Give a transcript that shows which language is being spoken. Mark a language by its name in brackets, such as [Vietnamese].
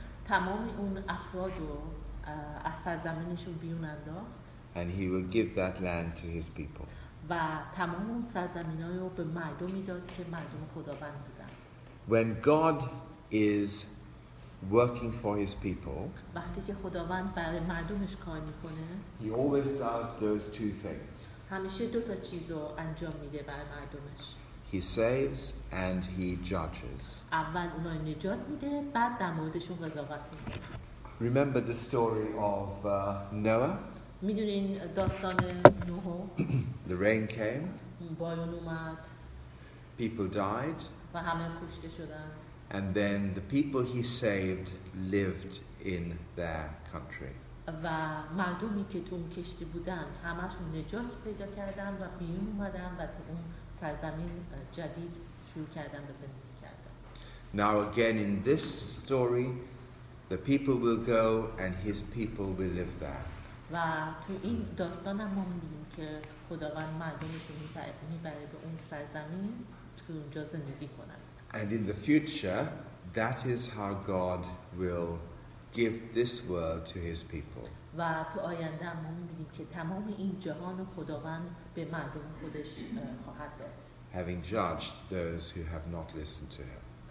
[Persian] تمام اون افراد رو از سرزمینشون بیرون انداخت. [English] And he will give that land to his people. [Persian] و تمام اون سرزمین های رو به مردمی داد که مردم خداوند بودن. [English] When God is working for his people, [Persian] وقتی که خداوند برای مردمش کار میکنه, [English] he always does those two things. [Persian] همیشه دو تا چیز رو انجام میده برای مردمش. [English] He saves and he judges. [Persian] اول اونا رو نجات میده, بعد در موردشون قضاوت میکنه. [English] Remember the story of Noah? [Persian] میدونین داستان نوح؟ [English] The rain came. [Persian] باران اومد. [English] People died. [Persian] و همه کشته شدن. [English] And then the people he saved lived in their country. [Persian] و مردمی که تو اون کشتی بودن همشون نجات پیدا کردن و بیرون اومدن و تو اون سرزمین جدید شروع کردن به زندگی کردن. [English] Now again in this story the people will go and his people will live there. [Persian] و تو این داستان هم ما می‌بینیم که خداوند مردمش رو می‌بره به اون سرزمین تو اونجا زندگی کنن. [English] And in the future, that is how God will give this world to his people. [Persian] و تو آینده ما می‌بینیم که تمام این جهان رو خداوند به مردم خودش خواهد داد. [English] Having judged those who have not listened to him.